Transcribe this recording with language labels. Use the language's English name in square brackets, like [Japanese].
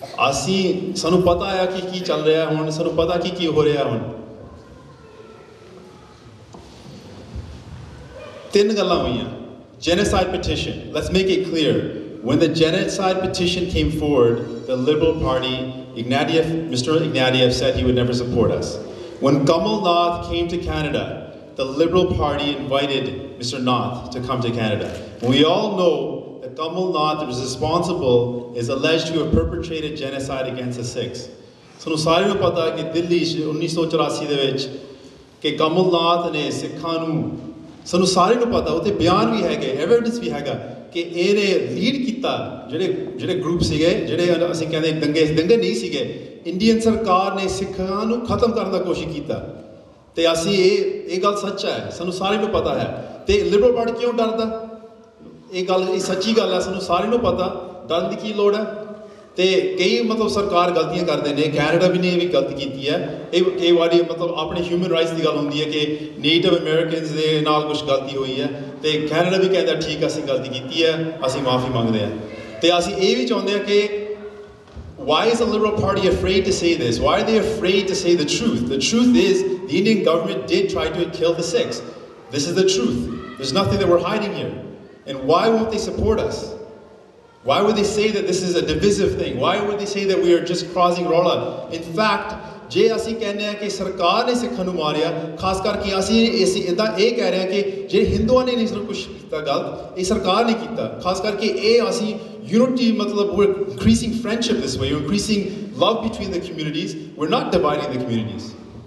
[Punjabi] ਅਸੀਂ ਸਾਨੂੰ ਪਤਾ ਆ ਕੀ ਚੱਲ ਰਿਹਾ ਹੁਣ, ਸਾਨੂੰ ਪਤਾ ਕੀ ਹੋ ਰਿਹਾ ਹੁਣ। ਤਿੰਨ ਗੱਲਾਂ ਹੋਈਆਂ। [English] Genocide petition, let's make it clear, when the genocide petition came forward, the Liberal Party, Ignatieff, Mr. Ignatieff said he would never support us. When Kamal Nath came to Canada, the Liberal Party invited Mr. Nath to come to Canada. We all know that Kamal Nath is responsible, is alleged to have perpetrated genocide against the Sikhs. [Punjabi] ਸਾਨੂੰ ਸਾਰਿਆਂ ਨੂੰ ਪਤਾ ਕਿ ਦਿੱਲੀ 1984 ਦੇ ਵਿੱਚ ਕਿ ਕਮਲ ਨਾਥ ਨੇ ਸਿੱਖਾਂ ਨੂੰ, ਸਾਨੂੰ ਸਾਰਿਆਂ ਨੂੰ ਪਤਾ, ਉੱਥੇ ਬਿਆਨ ਵੀ ਹੈਗੇ, ਐਵੀਡੈਂਸ ਵੀ ਹੈਗਾ ਕਿ ਇਹਨੇ ਲੀਡ ਕੀਤਾ ਜਿਹੜੇ ਗਰੁੱਪ ਸੀਗੇ, ਜਿਹੜੇ ਅਸੀਂ ਕਹਿੰਦੇ ਦੰਗੇ ਦੰਗੇ ਨਹੀਂ ਸੀਗੇ, ਇੰਡੀਅਨ ਸਰਕਾਰ ਨੇ ਸਿੱਖਾਂ ਨੂੰ ਖਤਮ ਕਰਨ ਦਾ ਕੋਸ਼ਿਸ਼ ਕੀਤਾ। ਤੇ ਅਸੀਂ ਇਹ ਇਹ ਗੱਲ ਸੱਚ ਹੈ, ਸਾਨੂੰ ਸਾਰਿਆਂ ਨੂੰ ਪਤਾ ਹੈ। ਅਤੇ ਲਿਬਰਲ ਪਾਰਟੀ ਕਿਉਂ ਡਰਦਾ? ਇਹ ਗੱਲ ਇਹ ਸੱਚੀ ਗੱਲ ਹੈ, ਸਾਨੂੰ ਸਾਰਿਆਂ ਨੂੰ ਪਤਾ ਡਰਨ ਦੀ ਕੀ ਲੋੜ ਹੈ। ਅਤੇ ਕਈ ਮਤਲਬ ਸਰਕਾਰ ਗਲਤੀਆਂ ਕਰਦੇ ਨੇ, ਕੈਨੇਡਾ ਵੀ ਨੇ ਇਹ ਵੀ ਗਲਤੀ ਕੀਤੀ ਹੈ। ਇਹ ਕਈ ਵਾਰੀ ਮਤਲਬ ਆਪਣੇ ਹਿਊਮਨ ਰਾਈਟਸ ਦੀ ਗੱਲ ਹੁੰਦੀ ਹੈ ਕਿ ਨੇਟਿਵ ਅਮੈਰੀਕਨਸ ਦੇ ਨਾਲ ਕੁਛ ਗਲਤੀ ਹੋਈ ਹੈ, ਅਤੇ ਕੈਨੇਡਾ ਵੀ ਕਹਿੰਦਾ ਠੀਕ ਅਸੀਂ ਗਲਤੀ ਕੀਤੀ ਹੈ, ਅਸੀਂ ਮਾਫ਼ੀ ਮੰਗਦੇ ਹਾਂ। ਅਤੇ ਅਸੀਂ ਇਹ ਵੀ ਚਾਹੁੰਦੇ ਹਾਂ ਕਿ [English] Why is the Liberal Party afraid to say this? Why are they afraid to say the truth? The truth is, the Indian government did try to kill the Sikhs. This is the truth. There's nothing that we're hiding here. And why won't they support us? Why would they say that this is a divisive thing? Why would they say that we are just crossing Rola? In fact, [Punjabi] ਜੇ ਅਸੀਂ ਕਹਿੰਦੇ ਹਾਂ ਕਿ ਸਰਕਾਰ ਨੇ ਸਿੱਖਾਂ ਨੂੰ ਮਾਰਿਆ, ਖਾਸ ਕਰਕੇ ਅਸੀਂ ਇੱਦਾਂ ਇਹ ਕਹਿ ਰਹੇ ਹਾਂ ਕਿ ਜੇ ਹਿੰਦੂਆਂ ਨੇ ਨਹੀਂ ਕੁਛ ਕੀਤਾ ਗਲਤ, ਇਹ ਸਰਕਾਰ ਨੇ ਕੀਤਾ, ਖਾਸ ਕਰਕੇ ਇਹ ਅਸੀਂ ਯੂਨਿਟੀ ਮਤਲਬ ਵੀ [English] increasing friendship this way, increasing love between the communities, [Punjabi] we are not dividing the communities.